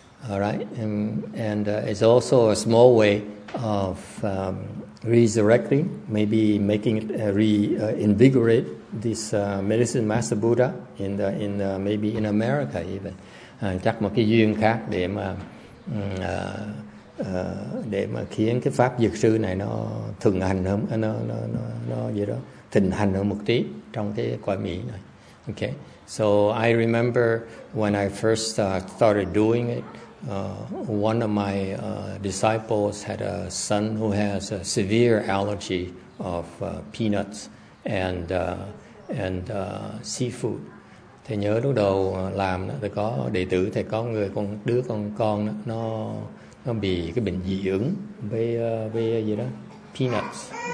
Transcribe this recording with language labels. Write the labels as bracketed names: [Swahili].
[English] It's also a small way of resurrecting, maybe making it reinvigorate this Medicine Master Buddha in the maybe in America even. [Vietnamese] Chắc một cái duyên khác để mà khiến cái pháp dược sư này nó thịnh hành hơn, nó gì đó thịnh hành hơn một tí trong cái cõi Mỹ này. [English] Okay, so I remember when I first started doing it, one of my disciples had a son who has a severe allergy of peanuts and seafood. [Vietnamese] Thầy nhớ lúc đầu làm đó, có đệ tử thầy có người con đứa con đó, nó bị cái bệnh dị ứng với gì đó, peanuts,